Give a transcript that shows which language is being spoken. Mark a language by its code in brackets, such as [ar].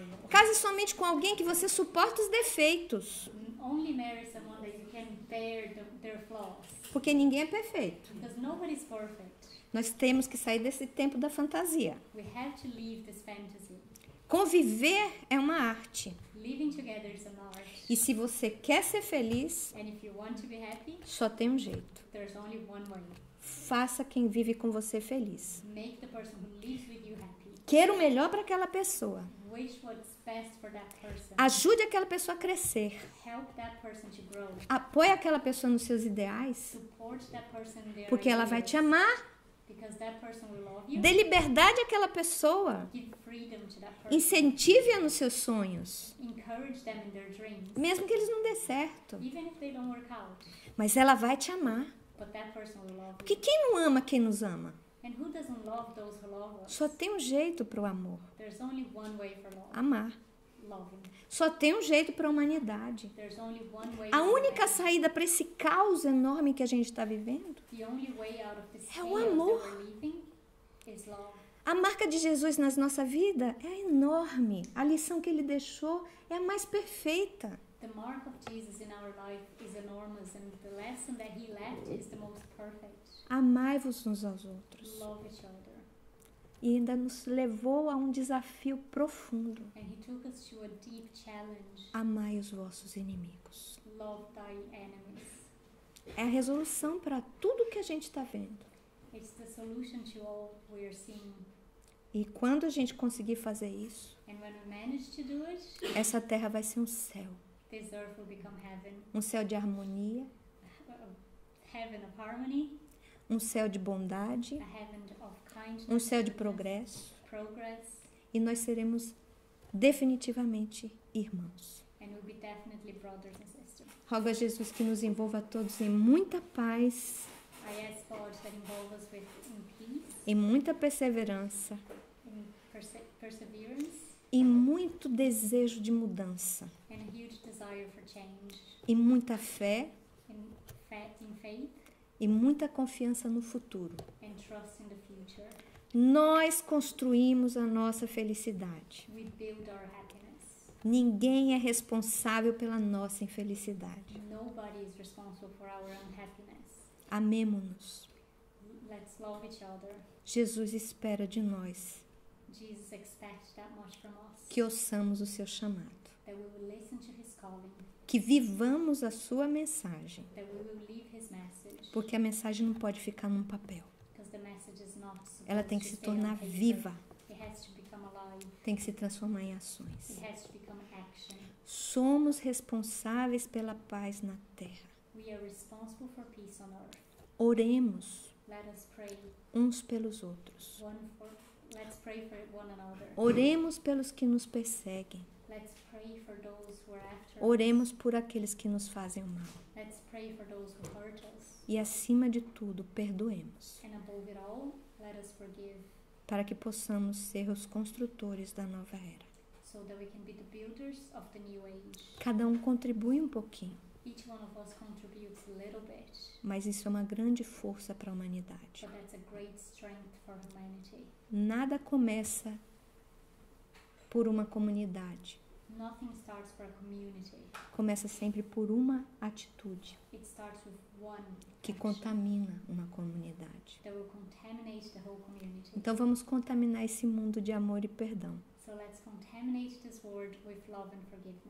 [pt] Case somente com alguém que você suporta os defeitos. [en] Only marry someone that you can bear their flaws. [pt] Porque ninguém é perfeito. [en] Because nobody's perfect. [pt] Nós temos que sair desse tempo da fantasia. [en] We have to leave this fantasy. [pt] Conviver é uma arte. [en] Living together is an art. [pt] E se você quer ser feliz, [en] and if you want to be happy, [pt] só tem um jeito. [en] There's only one way. [pt] Faça quem vive com você feliz. [en] Make the person who lives with you happy. [pt] Quer o melhor para aquela pessoa. [en] Wish what's best for that person. [pt] Ajude aquela pessoa a crescer. [en] Help that person to grow. [pt] Apoie aquela pessoa nos seus ideais. [en] Support that person in their ideas. [pt] Porque ela vai te amar. [en] Because that person will love you. [pt] Dê liberdade àquela pessoa. [en] Give freedom to that person. [pt] Incentive-a nos seus sonhos. [en] Encourage them in their dreams. [pt] Mesmo que eles não dê certo. [en] Even if they don't work out. [pt] Mas ela vai te amar. [en] But that person will love you. [pt] Porque quem não ama quem nos ama? [en] And who doesn't love those who love us? [pt] Só tem um jeito para o amor. [en] There's only one way for love. [pt] Amar. [en] Loving. [pt] Só tem um jeito para a humanidade. [en] There's only one way. [pt] A única saída para esse caos enorme que a gente está vivendo. [en] The only way out of this [pt] é o amor. [en] That we're living is love. [pt] A marca de Jesus na nossa vida é enorme. A lição que ele deixou é a mais perfeita. [en] The mark of Jesus in our life is enormous and the lesson that he left is the most perfect. [pt] Amai-vos uns aos outros. [en] Love each other. [pt] E ainda nos levou a um desafio profundo. [en] And he took us to a deep challenge. [pt] Amai os vossos inimigos. [en] Love thy enemies. [pt] É a resolução para tudo que a gente está vendo. [en] It's the solution to all we are seeing. [pt] E quando a gente conseguir fazer isso, [en] and when we manage to do it, [pt] essa terra vai ser um céu. [en] This earth will become heaven. [pt] Um céu de harmonia. [en] Heaven of harmony. [pt] Um céu de bondade. [en] A heaven of kindness. [pt] Um céu de progresso. [en] Progress. [pt] E nós seremos definitivamente irmãos. [en] And we'll be definitely brothers and sisters. [pt] Rogo a Jesus que nos envolva a todos em muita paz. [en] I ask God that involve us with, in peace. [pt] Em muita perseverança. [en] In perseverance. [pt] E muito desejo de mudança. [en] And a huge desire for change. [pt] E muita fé. [en] In fé, in faith. [pt] E muita confiança no futuro. [en] And trust in the future. [pt] Nós construímos a nossa felicidade. [en] We build our happiness. [pt] Ninguém é responsável pela nossa infelicidade. [en] Nobody is responsible for our unhappiness. [pt] Amemo-nos. [en] Let's love each other. [pt] Jesus espera de nós. [en] Jesus expects that much from us. [pt] Que ouçamos o seu chamado. [en] That we will listen to his calling. [pt] Que vivamos a sua mensagem. [en] That we will leave his message. [pt] Porque a mensagem não pode ficar num papel. [en] Because the message is not supposed. [pt] Ela tem que se tornar viva. [en] It has to become alive. [pt] Tem que se transformar em ações. [en] It has to become action. [pt] Somos responsáveis pela paz na terra. [en] We are responsible for peace on earth. [pt] Oremos. [en] Let us pray. [pt] Uns pelos outros. [en] One for, let's pray for one another. [pt] Oremos pelos que nos perseguem. [en] Let's pray for those who are after us. [pt] Oremos por aqueles que nos fazem o mal. [en] Let's pray for those who hurt us. [pt] E acima de tudo, perdoemos. [en] And above it all, let us forgive. [pt] Para que possamos ser os construtores da nova era. [en] So that we can be the builders of the new age. [pt] Cada um contribui um pouquinho. [en] Each one of us contributes a little bit. [pt] Mas isso é uma grande força para a humanidade. [en] But that's a great strength for humanity. [pt] Nada começa por uma comunidade. [en] Nothing starts for a community. [pt] Começa sempre por uma atitude. [en] It starts with one [pt] que [en] action. [pt] Contamina uma comunidade. [en] That will contaminate the whole community. [pt] Então vamos contaminar esse mundo de amor e perdão. [en] So let's contaminate this world with love and forgiveness.